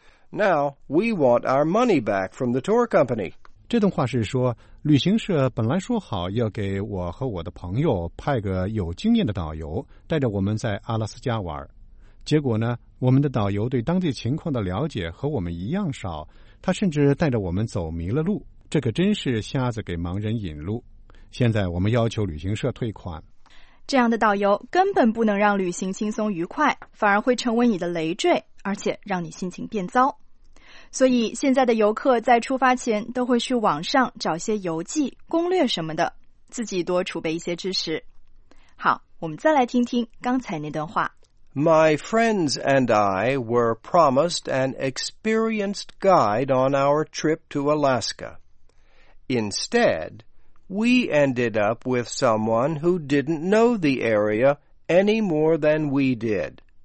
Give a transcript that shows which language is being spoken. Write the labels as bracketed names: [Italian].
[English] Now, we want our money back from the tour company. [Chinese] 这段话是说，旅行社本来说好要给我和我的朋友派个有经验的导游，带着我们在阿拉斯加玩。结果呢，我们的导游对当地情况的了解和我们一样少，他甚至带着我们走迷了路。这可真是瞎子给盲人引路。现在我们要求旅行社退款。这样的导游根本不能让旅行轻松愉快，反而会成为你的累赘，而且让你心情变糟。所以现在的游客在出发前都会去网上找些游记、攻略什么的，自己多储备一些知识。好，我们再来听听刚才那段话。 [English] My friends and I were promised an experienced guide on our trip to Alaska. Instead,We ended up with someone who didn't know the area any more than we did.